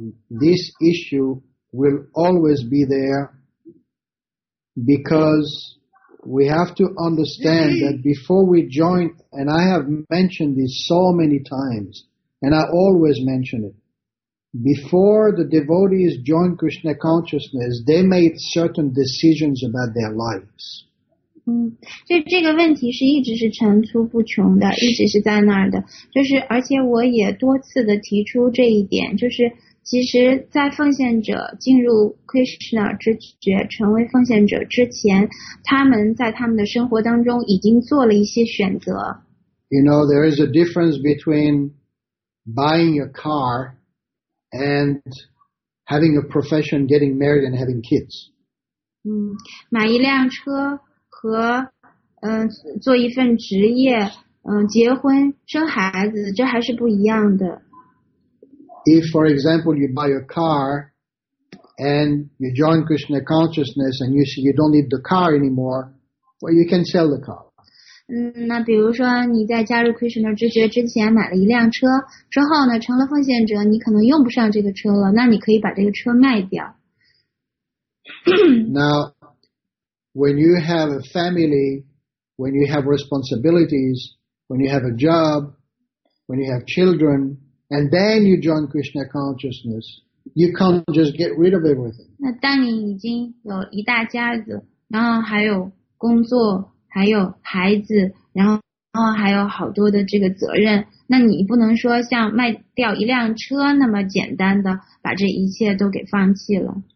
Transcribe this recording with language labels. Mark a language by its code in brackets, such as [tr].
[en] This issue will always be there because we have to understand that before we join, and I have mentioned this so many times, and I always mention it, before the devotees join Krishna consciousness, they made certain decisions about their lives. [zh] 这个问题是一直是层出不穷的，一直是在那儿的。就是而且我也多次的提出这一点，就是其实在奉献者进入 Krishna 之觉成为奉献者之前，他们在他们的生活当中已经做了一些选择。 [en] You know, there is a difference between buying a car and having a profession, getting married and having kids. [zh] 买一辆车和做一份职业，结婚生孩子，这还是不一样的。 [en] If, for example, you buy a car and you join Krishna consciousness and you see you don't need the car anymore, well, you can sell the car. [zh] 那比如说你在加入 Krishna 知觉之前买了一辆车，之后呢成了奉献者，你可能用不上这个车了，那你可以把这个车卖掉。 [en] Now, when you have a family, when you have responsibilities, when you have a job, when you have children,And then you join Krishna consciousness. You can't just get rid of everything. [zh] 那当你已经有一大家子，然后还有工作，还有孩子，然后还有好多的这个责任，那你不能说像卖掉一辆车那么简单的把这一切都给放弃了。